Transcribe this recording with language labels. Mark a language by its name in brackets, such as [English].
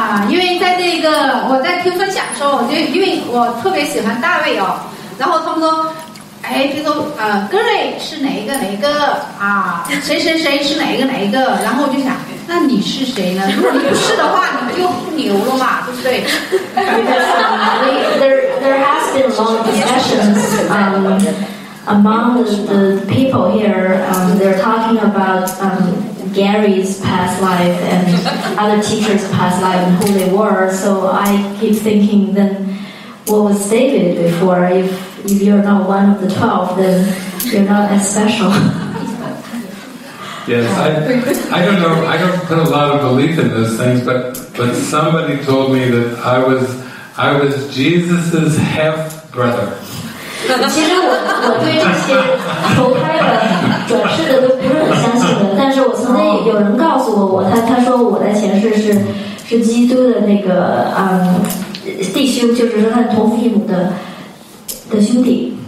[Chinese] 因为在这个我在听分享的时候，因为我特别喜欢大卫哦，然后他们说。哎，比如说Gary 是哪一个啊？谁谁谁是哪一个？然后我就想，那你是谁呢？如果你不是的话，你就牛了嘛，对不对 [English] ？Because there has been long discussions among the people here. They're talking about Gary's past life and other teachers' past life and who they were. So I keep thinking then. What was stated before, if you're not one of the 12, then you're not as special. Yes, I don't know, I don't put a lot of belief in those things, but somebody told me that I was Jesus' half-brother. [Chinese] 其实我对这些投胎的转世的都不是很相信的，但是我曾经有人告诉我他说我的前世是基督的那个弟兄，就是说他同父异母的兄弟。